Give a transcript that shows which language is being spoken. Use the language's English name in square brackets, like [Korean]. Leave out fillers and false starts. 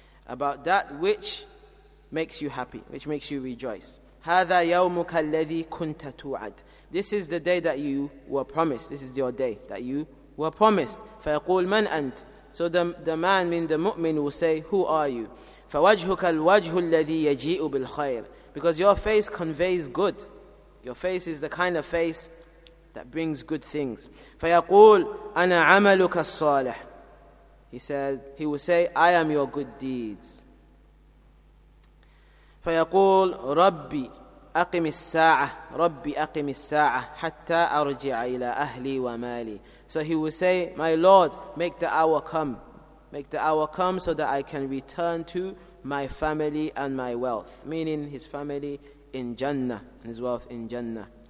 [English] about that which makes you happy, which makes you rejoice. [Arabic] هذا يومك الذي كنت توعد. [English] This is the day that you were promised. This is your day that you were promised. [Arabic] فيقول من أنت. [English] So the man, meaning the mu'min, will say, who are you? [Arabic] فوجهك الوجه الذي يجيء بالخير. [English] Because your face conveys good. Your face is the kind of face that brings good things. [Arabic] فيقول أنا عملك الصالح. [English] He will say, I am your good deeds. [Arabic] فيقول ربي أقم الساعة ربي أقم الساعة حتى أرجع إلى أهلي ومالي. [English] So he will say, my Lord, make the hour come so that I can return to my family and my wealth, meaning his family in Jannah and his wealth in Jannah.